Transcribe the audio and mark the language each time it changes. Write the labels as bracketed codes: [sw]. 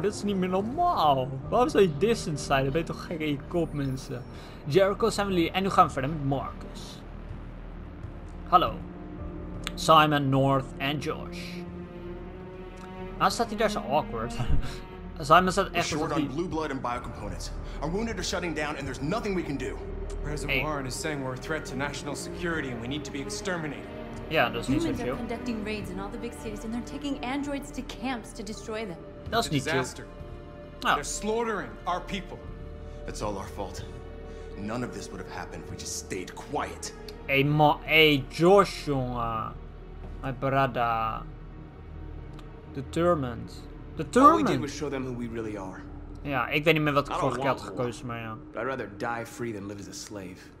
[nl] Dat is niet meer normaal. Waarom zou je distant zijn? Dan ben je toch gek in je kop, mensen. Jericho's family. En nu gaan we verder met Marcus. Hallo. Simon, North en Josh. Waarom staat hij daar zo awkward? Simon staat echt... [en] We're short on blue blood and biocomponents. Our wounded are shutting down and there's nothing we can do. President Warren is saying we're a threat to national security and we need to be exterminated. [nl] Ja, dat is niet zo chill. [en] Conducting raids in all the big cities and they're taking androids to camps to destroy them. [nl] Dat is niet chill. [en] They're slaughtering our people. It's all our fault. None of this would have happened if we just stayed quiet. Hey Josh, jongen. My brada. Determined. Determined. All we did was show them who we really are. [nl] Ja, ik weet niet meer wat ik vorige keer had gekozen, maar ja. [en] But I'd rather die free than live as a slave.